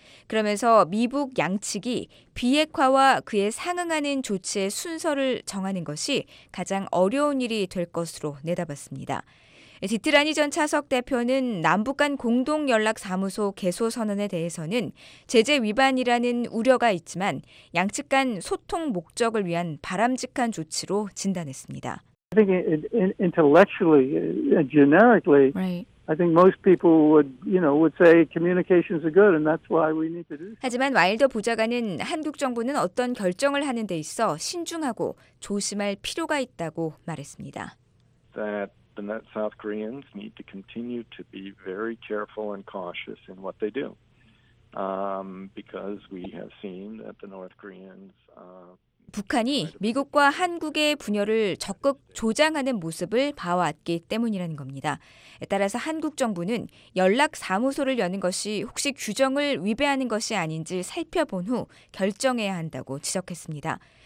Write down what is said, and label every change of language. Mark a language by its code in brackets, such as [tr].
[ko] 그러면서 미북 양측이 비핵화와 그에 상응하는 조치의 순서를 정하는 것이 가장 어려운 일이 될 것으로 내다봤습니다. 디트라니 전 차석 대표는 남북 간 공동연락사무소 개소 선언에 대해서는 제재 위반이라는 우려가 있지만 양측 간 소통 목적을 위한 바람직한 조치로 진단했습니다. [en] I think intellectually, generically, I think most people would, you know, would say communications are good, and that's why we need to do. [ko] 하지만 와일더 보좌관은 한국 정부는 어떤 결정을 하는 데 있어 신중하고 조심할 필요가 있다고 말했습니다. [en] That South Koreans need to continue to be very careful and cautious in what they do, because we have seen that the North Koreans. [ko] 북한이 미국과 한국의 분열을 적극 조장하는 모습을 봐왔기 때문이라는 겁니다. 따라서 한국 정부는 연락사무소를 여는 것이 혹시 규정을 위배하는 것이 아닌지 살펴본 후 결정해야 한다고 지적했습니다.